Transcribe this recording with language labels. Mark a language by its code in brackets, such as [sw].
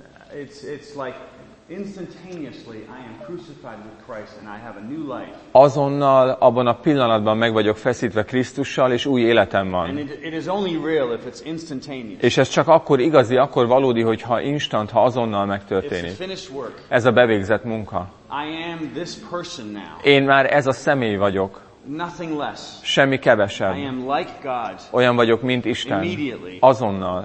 [en] It's like instantaneously I am crucified with Christ and I have a new life. [hu] Azonnal abban a pillanatban meg vagyok feszítve Krisztussal és új életem van. [en] And it is only real if it's instantaneous. [hu] És ez csak akkor igazi, akkor valódi, hogyha instant, ha azonnal megtörténik. [en] It's a finished work. [hu] Ez a bevégzett munka. [en] I am this person now. [hu] Én már ez a személy vagyok. [en] Nothing less. [hu] Semmi kevesebb. [en] I am like God. [hu] Olyan vagyok, mint Isten. [en] Immediately. [hu] Azonnal.